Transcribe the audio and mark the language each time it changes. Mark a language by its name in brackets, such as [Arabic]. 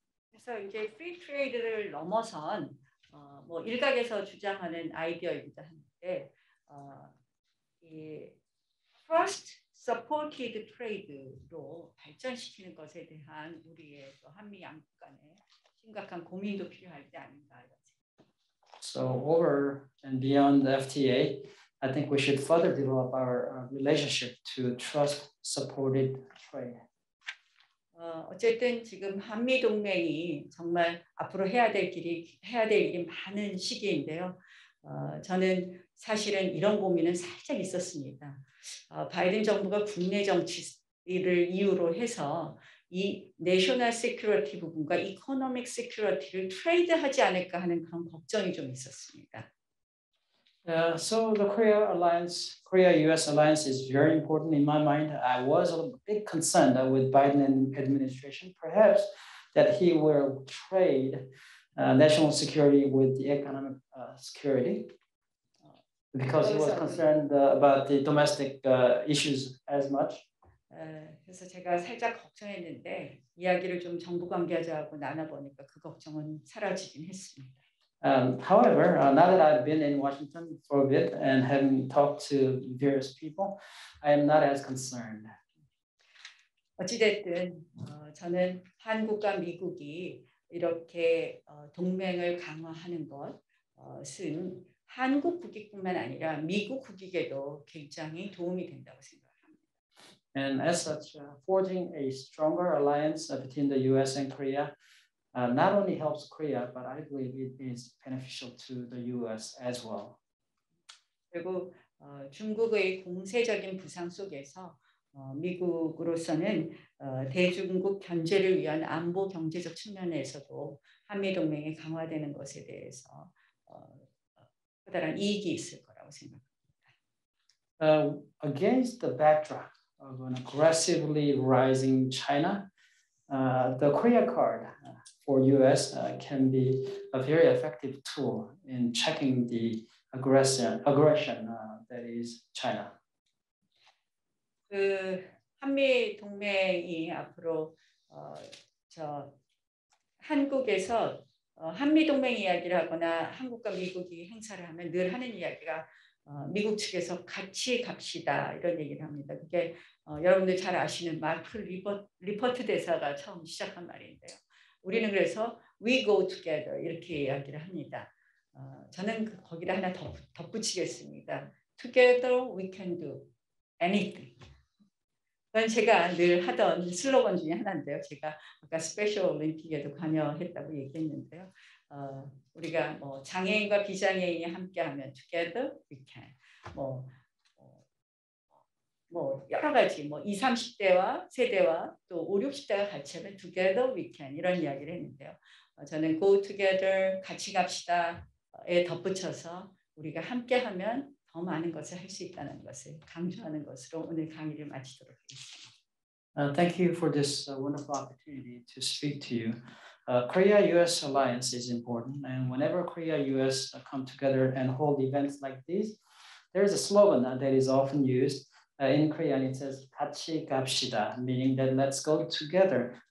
[Korean] 그래서 이제 free trade를 넘어선 뭐 일각에서 주장하는 아이디어입니다. 근데 이 [English] first supported trade [Korean] 로 발전시키는 것에 대한 우리의 또 한미 양국 간의 심각한 고민도 필요하지 않은가 [English] So over and beyond the FTA, I think we should further develop our relationship to trust-supported trade. [Korean] 어쨌든 지금 한미 동맹이 정말 앞으로 해야 될 일이 많은 시기인데요. 저는 사실은 이런 고민은 살짝 있었습니다. 바이든 정부가 국내 정치를 이유로 해서 이 내셔널 시큐리티 부분과 이코노믹 시큐리티를 트레이드하지 않을까 하는 그런 걱정이 좀 있었습니다. [English] So the Korea alliance, Korea-US alliance is very important in my mind. I was a bit concerned with Biden administration, perhaps that he will trade national security with the economic security, because he was concerned about the domestic issues as much. [Korean] 그래서 제가 살짝 걱정했는데 이야기를 좀 정부 관계자하고 나눠보니까 그 걱정은 사라지긴 했습니다. [English] However, now that I've been in Washington for a bit and having talked to various people, I am not as concerned. [Korean] 어찌됐든 저는 한국과 미국이 이렇게 동맹을 강화하는 것은 한국 국익뿐만 아니라 미국 국익에도 굉장히 도움이 된다고 생각합니다. [English] And as such, forging a stronger alliance between the U.S. and Korea not only helps Korea, but I believe it is beneficial to the U.S. as well. [Korean] 그리고 중국의 공세적인 부상 속에서 미국으로서는 대중국 견제를 위한 안보 경제적 측면에서도 한미 동맹이 강화되는 것에 대해서 커다란 이익이 있을 거라고 생각합니다. [English] Against the backdrop. Of an aggressively rising China, the Korea card for U.S. Can be a very effective tool in checking the aggression that is China. [Korean] 그 한미 동맹이 앞으로 저 한국에서 한미 동맹 이야기를 하거나 한국과 미국이 행사를 하면 늘 하는 이야기가 미국 측에서 같이 갑시다 이런 얘기를 합니다. 그게 여러분들 잘 아시는 마크 리퍼트 대사가 처음 시작한 말인데요. 우리는 그래서 [English] we go together [Korean] 이렇게 이야기를 합니다. 저는 거기다 하나 덧붙이겠습니다. [English] Together we can do anything. [Korean] 그건 제가 늘 하던 슬로건 중에 하나인데요. 제가 아까 스페셜 올림픽에도 관여했다고 얘기했는데요. 우리가 뭐 장애인과 비장애인이 함께하면 [English] together we can. [Korean] 뭐 여러 가지 뭐 20, 30대와 세대와 또 50, 60대가 같이 하면 [English] together we can [Korean] 이런 이야기를 했는데요. 저는 [English] go together [Korean] 같이 갑시다에 덧붙여서 우리가 함께하면 더 많은 것을 할 수 있다는 것을 강조하는 것으로 오늘 강의를 마치도록 하겠습니다. [English] Thank you for this wonderful opportunity to speak to you. Korea-U.S. alliance is important, and whenever Korea-U.S. Come together and hold events like these, there is a slogan that is often used in Korean. It says [Korean] 같이 갑시다, [English] meaning that let's go together.